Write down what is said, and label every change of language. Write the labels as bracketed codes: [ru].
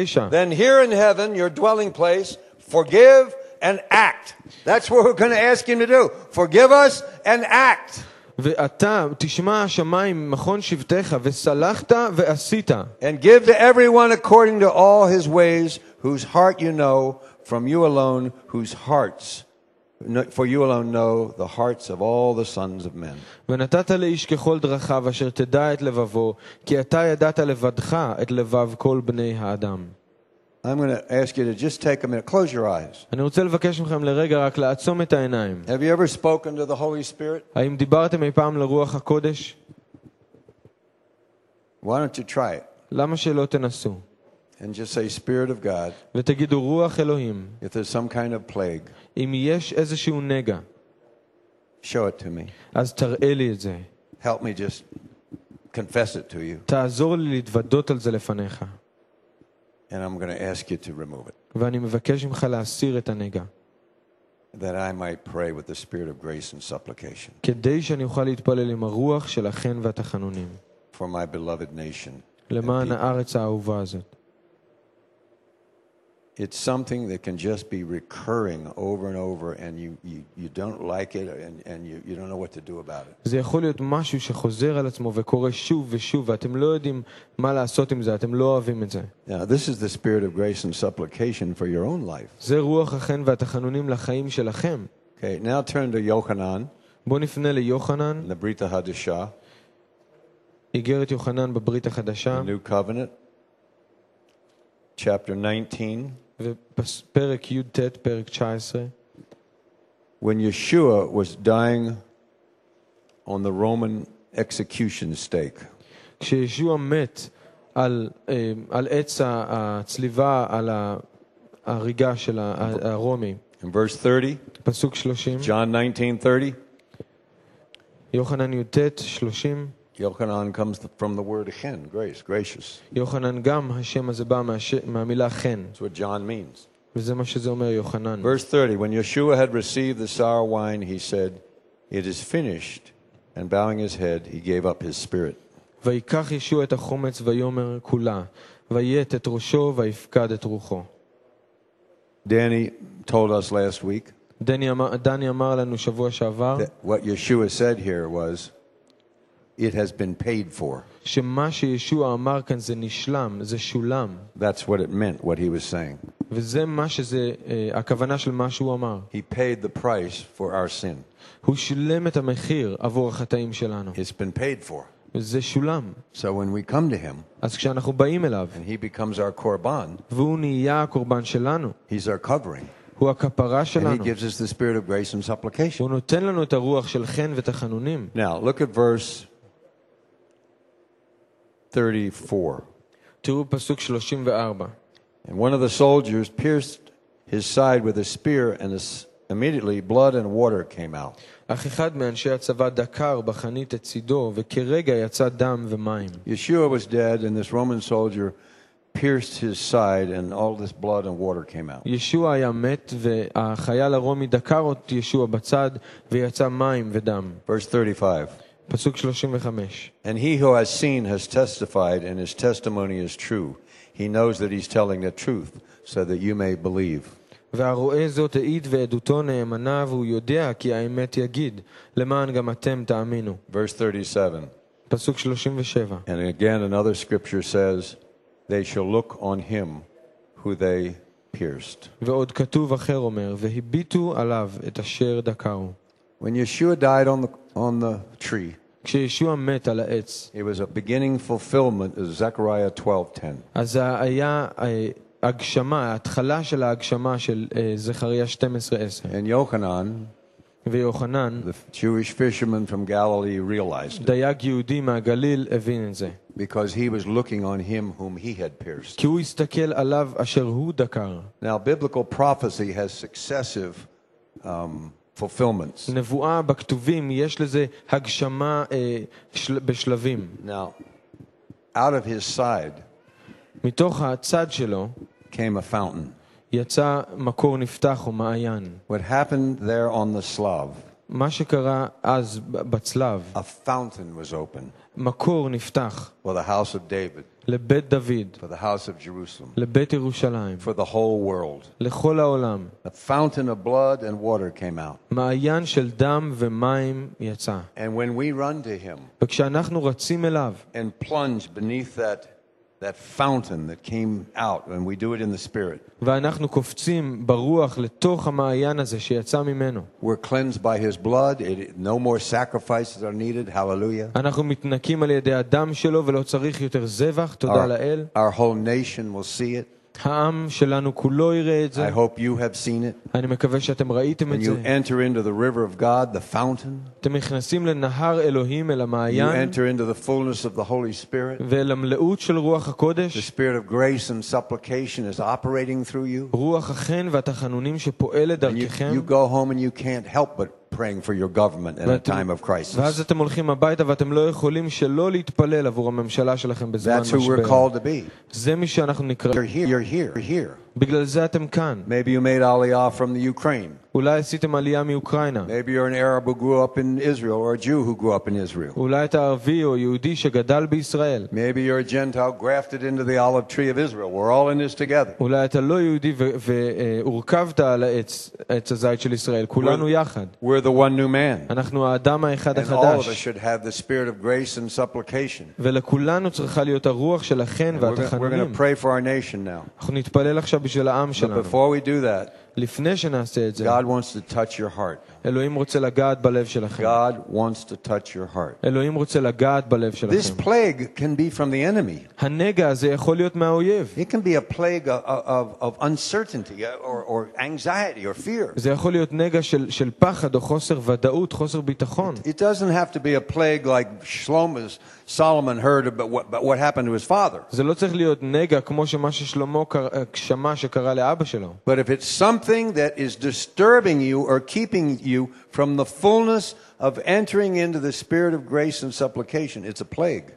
[en] Then here in heaven, your dwelling place, forgive and act. That's what we're going to ask him to do. Forgive us and act. [he] ואתה תשמע השמיים מכון שבטך וסלחת ועשית. [en] And give to everyone according to all his ways, whose heart you know, from you alone, whose hearts for you alone know the hearts of all the sons of men. [he] ונתת לאיש ככל דרכיו אשר תדע את לבבו, כי אתה ידעת לבדך את לבב כל בני האדם. [en] I'm going to ask you to just take a minute, close your eyes. [he] אני רוצה לבקש מכם לרגע רק לעצום את העיניים. [en] Have you ever spoken to the Holy Spirit? [he] האם דיברתם אי פעם לרוח הקודש? [en] Why don't you try it? [he] למה שלא תנסו? [en] And just say Spirit of God. [he] ותגידו רוח אלוהים. [en] If there's some kind of plague. [he] אם יש איזשהו נגע. [en] Show it to me. [he] אז תראה לי את זה. [en] Help me just confess it to you. [he] תעזור לי להתוודות על זה לפניך. [en] And I'm going to ask you to remove it. [he] ואני מבקש ממך להסיר את הנגע. [en] That I might pray with the spirit of grace and supplication. [he] כדי שאני אוכל להתפלל עם הרוח של החן והתחנונים. [en] For my beloved nation. [he] למען הארץ האהובה הזאת. [en] It's something that can just be recurring over and over and you don't like it and you don't know what to do about it. [he] זה יכול להיות משהו שחוזר על עצמו וקורה שוב ושוב ואתם לא יודעים מה לעשות עם זה, אתם לא אוהבים את זה. [en] Yeah, this is the spirit of grace and supplication for your own life. [he] זה רוח החן והתחנונים לחיים שלכם. [en] Okay, now turn to Yohanan. [he] בוא נפנה ליוחנן. [en] The Brit Hadasha. [he] איגרת יוחנן בברית החדשה. [en] The new covenant. Chapter 19 [he] פרק י"ט פרק 19 [en] When Yeshua was dying on the Roman execution stake [he] כשישוע מת על עץ הצליבה על ההריגה של הרומי [en] In verse 30 [he] פסוק 30 [en] John 19:30 [he] יוחנן י"ט 30 [en] Yochanan comes from the word chen, grace, gracious. [he] Yochanan gam hashem hazeh ba ma'amila chen. [en] That's what John means. [he] וזה מה שזה אומר יוחנן. [en] Verse 30, when Yeshua had received the sour wine, he said, "It is finished," and bowing his head, he gave up his spirit. [he] ויקח ישוע את החומץ ויאמר כולה, ויית את ראשו ויפקד את רוחו. [en] Danny told us last week. [he] דני אמר לנו שבוע שעבר. [en] What Yeshua said here was It has been paid for. [he] שמה שישוע אמר כאן זה נשלם, זה שולם. [en] That's what it meant, what he was saying. [he] וזה מה שזה, הכוונה של מה שהוא אמר. [en] He paid the price for our sin. [he] הוא שילם את המחיר עבור החטאים שלנו. [en] It's been paid for. [he] זה שולם. [en] So when we come to him, [he] אז כשאנחנו באים אליו, [en] and he becomes our korban, [he] והוא נהיה הקורבן שלנו, [en] he's our covering. [he] הוא הכפרה שלנו. [en] And he gives us the spirit of grace and supplication. [he] הוא נותן לנו את הרוח של חן ותחנונים. [en] Now, look at verse 34. And one of the soldiers pierced his side with a spear and immediately blood and water came out. [he] אך אחד מאנשי הצבא דקר בחנית את צידו וכרגע יצא דם ומים. [en] Yeshua was dead and this Roman soldier pierced his side and all this blood and water came out. [he] Yeshua היה מת והחייל הרומי דקר את ישוע בצד ויצא מים ודם. [en] Verse 35. [he] פסוק 35 [en] And he who has seen has testified and his testimony is true. He knows that he's telling the truth so that you may believe. [he] והרואה זאת העיד ועדותו נאמנה והוא יודע כי האמת יגיד למען גם אתם תאמינו. [en] Verse 37 [he] פסוק 37 [en] And again another scripture says they shall look on him who they pierced. [he] ועוד כתוב אחר אומר והביטו עליו את אשר דקרו. [en] When Yeshua died on the tree. [he] כשישוע מת על העץ. [en] It was a beginning fulfillment of Zechariah 12:10. [he] אז היה הגשמה, התחלה של ההגשמה של זכריה 12:10. [en] And Yochanan. [he] ויוחנן. [en] The Jewish fisherman from Galilee realized it. [he] דייג יהודי מהגליל הבין את זה. [en] Because he was looking on him whom he had pierced. [he] כי הוא הסתכל עליו אשר הוא דקר. [en] Now biblical prophecy has successive fulfillments. [he] נבואה בכתובים יש לזה הגשמה בשלבים. [en] Now, out of his side [he] מתוך הצד שלו [en] came a fountain. [he] יצא מקור נפתח ומעיין. [en] What happened there on the slab? [he] מה שקרה אז בצלב, [en] a fountain was open. [he] מקור נפתח. [en] For the house of David. [he] לבית דוד. [en] For the house of Jerusalem. [he] לבית ירושלים. [en] For the whole world. [he] לכל העולם. [en] A fountain of blood and water came out. [he] מעיין של דם ומים יצא. [en] And when we run to him. [he] וכשאנחנו רצים אליו. [en] And plunge beneath that fountain that came out when we do it in the spirit. [he] ואנחנו קופצים ברוח לתוך המעיין הזה שיצא ממנו. [en] We're cleansed by his blood. No more sacrifices are needed. Hallelujah. [he] אנחנו מתנקים על ידי הדם שלו ולא צריך יותר זבח. תודה לאל. [en] Our whole nation will see it. [he] העם שלנו כולו יראה את זה. [en] I hope you have seen it. [he] אני מקווה שאתם ראיתם את זה. [en] You enter into the river of God, the fountain. [he] אתם נכנסים לנהר אלוהים, אל המעיין. [en] You enter into the fullness of the Holy Spirit. [he] ולמלאות של רוח הקודש. [en] The spirit of grace and supplication is operating through you. [he] רוח החן והתחנונים שפועלת דרככם. [en] You go home and you can't help but praying for your government in a time of crisis. [he] ואז אתם הולכים הביתה ואתם לא יכולים שלא להתפלל עבור הממשלה שלכם בזמן משבר. [en] That's who we're called to be. [he] זה מי שאנחנו נקראים. [en] You're here. [he] בגלל זה אתם כאן. [en] Maybe you made Aliyah from the Ukraine. [he] אולי עשיתם עלייה מאוקראינה. [en] Maybe you're an Arab who grew up in Israel or a Jew who grew up in Israel. [he] אולי אתה ערבי או יהודי שגדל בישראל. [en] Maybe you're a Gentile grafted into the olive tree of Israel. We're all in this together. [he] אולי אתה לא יהודי והורכבת על עץ הזית של ישראל. כולנו יחד. [en] We're the one new man. [he] אנחנו האדם האחד החדש. [en] And all of us should have the spirit of grace and supplication. [he] ולכולנו צריכה להיות הרוח של החן והתחנונים. [en] We're going to pray for our nation now. [he] אנחנו נתפלל עכשיו בשביל העם שלנו. [en] But before we do that, [he] לפני שנעשה את זה, [en] God wants to touch your heart. [he] אלוהים רוצה לגעת בלב שלכם. [en] God wants to touch your heart. [he] אלוהים רוצה לגעת בלב שלכם. [en] This plague can be from the enemy. [he] הנגע הזה יכול להיות מהאויב. [en] It can be a plague of uncertainty or anxiety or fear. [he] זה יכול להיות נגע של פחד או חוסר ודאות, חוסר ביטחון. [en] It doesn't have to be a plague like Solomon heard about what happened to his father. [he] זה לא צריך להיות נגע כמו שמה ששלמה שמע שקרה לאבא שלו. [en] But if it's something that is disturbing you or keeping you from the fullness of entering into the spirit of grace and supplication, it's a plague.